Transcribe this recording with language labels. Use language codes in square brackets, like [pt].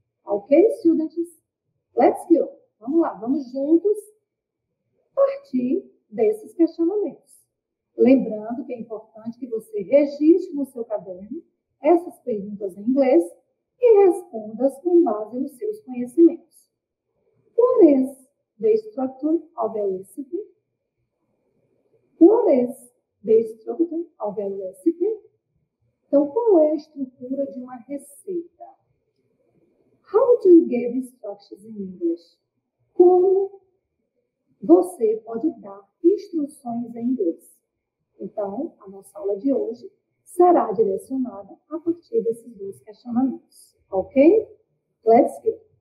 [en] Ok, students? Let's go! [pt] Vamos lá, vamos juntos partir desses questionamentos. Lembrando que é importante que você registre no seu caderno essas perguntas em inglês e responda-as com base nos seus conhecimentos. [en] What is the structure of a recipe? What is the structure of a recipe? [pt] Então, qual é a estrutura de uma receita? [en] How do you give instructions in English? [pt] Como você pode dar instruções em inglês? Então, a nossa aula de hoje será direcionada a partir desses dois questionamentos. Ok? [en] Let's go.